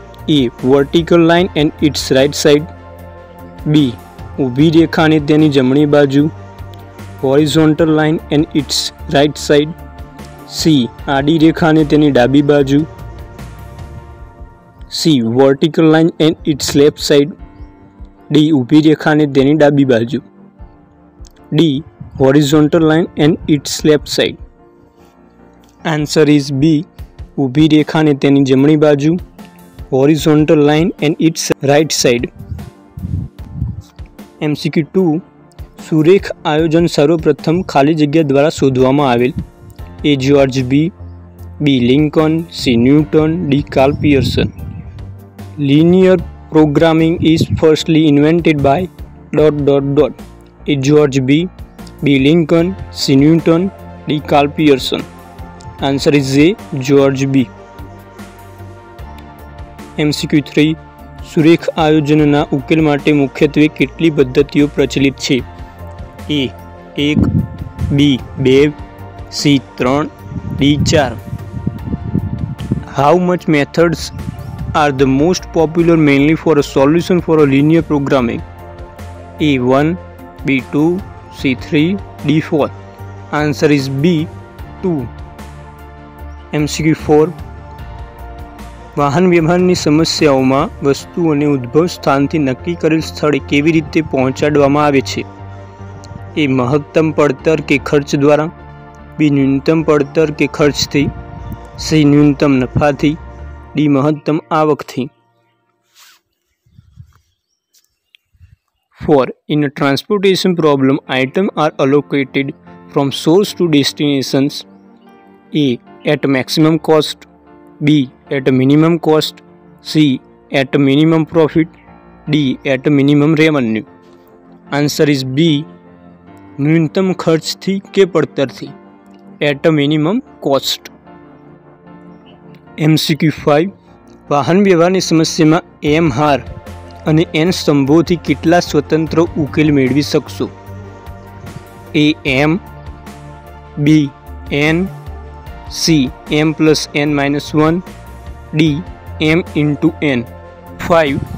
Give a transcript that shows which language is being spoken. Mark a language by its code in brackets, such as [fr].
[en] A vertical line and its right side, B [gu] ऊबी रेखा अने तेनी जमणी बाजु [en] horizontal line and its right side, C [gu] आडी रेखा अने तेनी डाबी बाजु, [en] C vertical line and its left side, D [gu] ऊबी रेखा अने तेनी डाबी बाजु, [en] D horizontal line and its left side। Answer is B, [gu] ઊભી રેખા ને તેની જમણી બાજુ, [en] horizontal line and its right side। [gu] MCQ 2, સુરેખ આયોજન સર્વપ્રથમ ખાલી જગ્યા દ્વારા શોધવામાં આવેલ, A George B, B Lincoln, C newton, D Karl Pearson. [en] Linear programming is firstly invented by dot dot dot, A George B, B Lincoln, C Newton, D Karl Pearson. Answer is A George B. [gu] MCQ 3, સુરેખ આયોજનના ઉકેલ માટે મુખ્યત્વે કેટલી પદ્ધતિઓ પ્રચલિત છે, એ 1, બી 2, C 3, D 4। [en] How much methods are the most popular mainly for a solution for a linear programming, A 1, B 2, C 3, D 4। Answer is B 2। [gu] MCQ 4, વાહન વ્યવહારની સમસ્યાઓમાં વસ્તુ અને ઉદ્ભવ સ્થાનથી નક્કી કરેલ સ્થળે કેવી રીતે પહોંચાડવામાં આવે છે, એ મહત્તમ પડતર કે ખર્ચ દ્વારા, બી ન્યૂનતમ પડતર કે ખર્ચથી, સી ન્યૂનતમ નફાથી, ડી મહત્તમ આવકથી। 4. [en] In a transportation problem, items are allocated from source to destinations, A. At maximum cost, B. At minimum cost, C. At minimum profit, D. At minimum revenue। Answer is B, [gu] ન્યૂનતમ ખર્ચથી કે પડતરથી, [en] At minimum cost। [gu] MCQ 5, વાહન વ્યવહારની સમસ્યામાં M હાર અને N સ્તંભોથી કેટલા સ્વતંત્ર ઉકેલ મેળવી શકશો, એ એમ, બી N, C M plus N minus one, D M into N. 5.